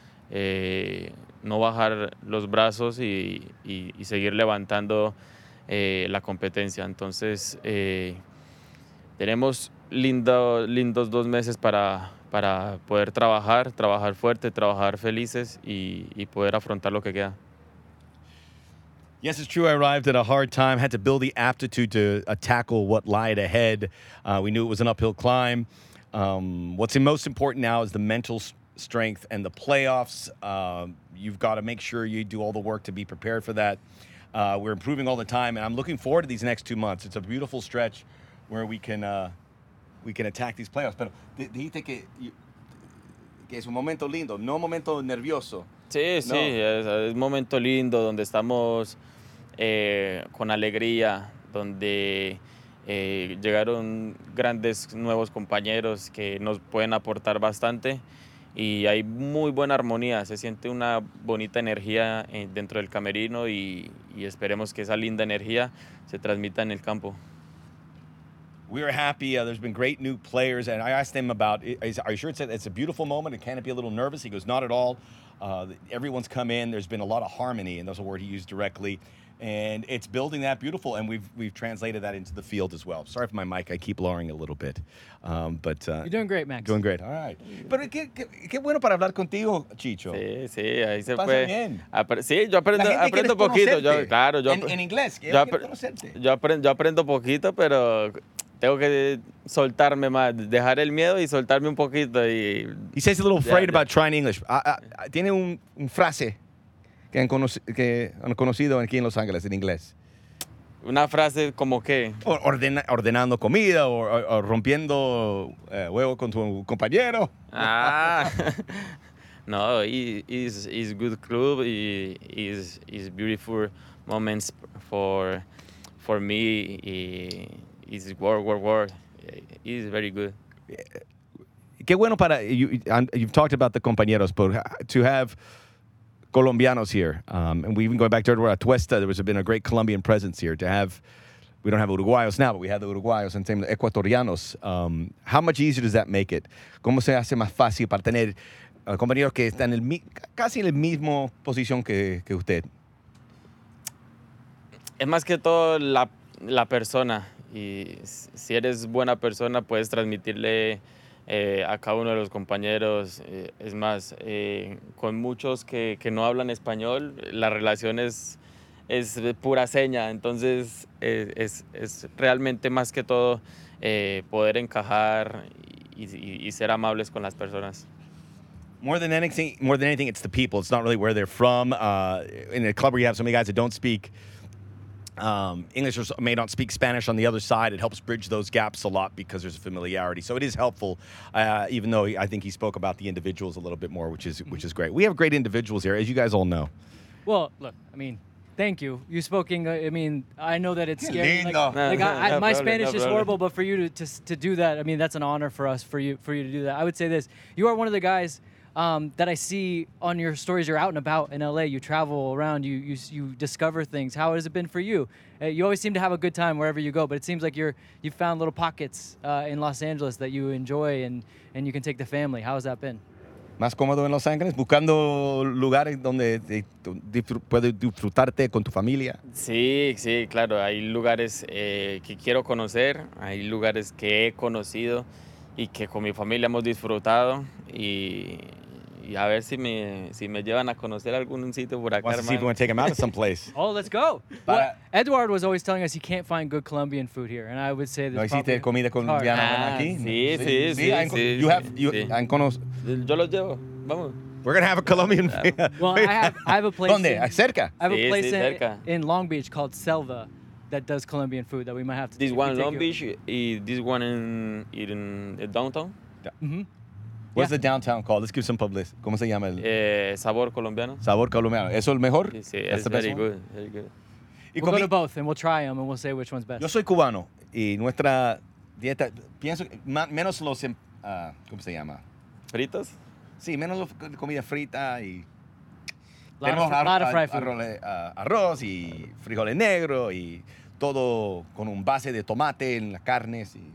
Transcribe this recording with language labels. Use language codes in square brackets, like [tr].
[es] No bajar los brazos y seguir levantando la competencia. Entonces, tenemos lindos 2 meses para poder trabajar fuerte, trabajar felices y poder afrontar lo que queda. [en] Yes, it's true. I arrived at a hard time. Had to build the aptitude to tackle what lied ahead. We knew it was an uphill climb. What's most important now is the mental strength and the playoffs. You've got to make sure you do all the work to be prepared for that. We're improving all the time, and I'm looking forward to these next 2 months. It's a beautiful stretch where we can attack these playoffs. [es] Pero dijiste que es un momento lindo, no un momento nervioso. Sí, no. Sí, es un momento lindo donde estamos con alegría, donde llegaron grandes nuevos compañeros que nos pueden aportar bastante y hay muy buena armonía. Se siente una bonita energía dentro del camerino y esperemos que esa linda energía se transmita en el campo. [en] We are happy. There's been great new players. And I asked him about, are you sure it's a beautiful moment? And can it be a little nervous? He goes, not at all. Everyone's come in. There's been a lot of harmony. And that's a word he used directly. And it's building that beautiful. And we've translated that into the field as well. Sorry for my mic. I keep lowering a little bit. You're doing great, Max. Doing great. All right. [es] Pero qué bueno para hablar contigo, Chicho. Sí, sí. Ahí se fue. Pasa bien. Sí, yo aprendo poquito. Yo, claro. Yo, en inglés. Yo aprendo poquito, pero tengo que soltarme más, dejar el miedo y soltarme un poquito. [en] He says a little afraid about trying English. [es] Tiene un frase que han conocido aquí en Los Ángeles en inglés. Una frase como qué? Ordenando comida o rompiendo huevo con tu compañero. [en] Ah. No, he's good club y is beautiful moments for me y it's work. It's very good. [es] Qué bueno para [en] you've talked about the compañeros, but to have Colombianos here, and we even going back to Atuesta, there has been a great Colombian presence here. We don't have Uruguayos now, but we have the Uruguayos and same Ecuatorianos. How much easier does that make it? [es] ¿Cómo se hace más fácil para tener compañeros que están casi en la misma posición que usted? Es más que todo la persona. Y si eres buena persona, puedes transmitirle a cada uno de los compañeros. Es más, con muchos que no hablan español, la relación es pura seña. Entonces, es realmente más que todo poder encajar y ser amables con las personas. [en] More than anything, it's the people. It's not really where they're from. In a club where you have so many guys that don't speak English, may not speak Spanish on the other side, it helps bridge those gaps a lot because there's a familiarity. So it is helpful, even though I think he spoke about the individuals a little bit more, which is great. We have great individuals here, as you guys all know. Well, look, I mean, thank you. You spoke English. I mean, I know that it's scary. [es] Lindo. [en] My Spanish is horrible, but for you to do that, I mean, that's an honor for us, for you to do that. I would say this, you are one of the guys that I see on your stories. You're out and about in LA. You travel around. You discover things. How has it been for you? You always seem to have a good time wherever you go. But it seems like you've found little pockets in Los Angeles that you enjoy and you can take the family. How has that been? [es] Más cómodo en Los Ángeles, buscando lugares donde puedes disfrutarte con tu familia. Sí, sí, claro. Hay lugares que quiero conocer, hay lugares que he conocido y que con mi familia hemos disfrutado. Y a ver si me llevan a conocer algún sitio por acá. [en] Wants to see if we want to take him out of some place. Oh, let's go. Edward was always telling us he can't find good Colombian food here, and I would say that. [es] No existe comida colombiana aquí. Sí. Yo los llevo. Vamos. [en] We're gonna have a Colombian. I have a place. [es] ¿Dónde? Cerca. [en] I have a place in Long Beach called Selva that does Colombian food that we might have to. This one in Long Beach, this one in downtown. Yeah. Mm-hmm. What's the downtown called? Let's give some publicity. [es] ¿Cómo se llama? Sabor Colombiano. Sabor Colombiano. ¿Eso es el mejor? Sí, es [en] very good. Very good. We'll go to both and we'll try them and we'll say which one's best. [es] Yo soy cubano y nuestra dieta, pienso, menos los, ¿cómo se llama? ¿Fritos? Sí, menos la comida frita y... Tenemos arroz y frijoles negros y todo con un base de tomate en las carnes y